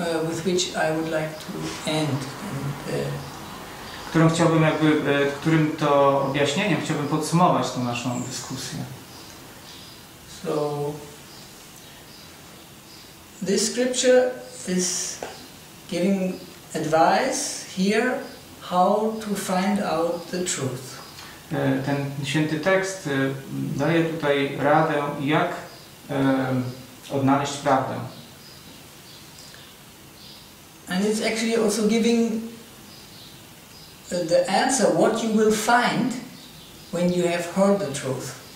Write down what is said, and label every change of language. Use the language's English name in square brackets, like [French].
[English] With which I would like to end. [Polish] Którym chciałbym jakby, którym to objaśnieniem chciałbym podsumować tą naszą dyskusję. [English] So, this scripture is giving advice here how to find out the truth. [Polish] Ten święty tekst daje tutaj radę, jak odnaleźć prawdę. [English] And it's actually also giving the answer what you will find when you have heard the truth.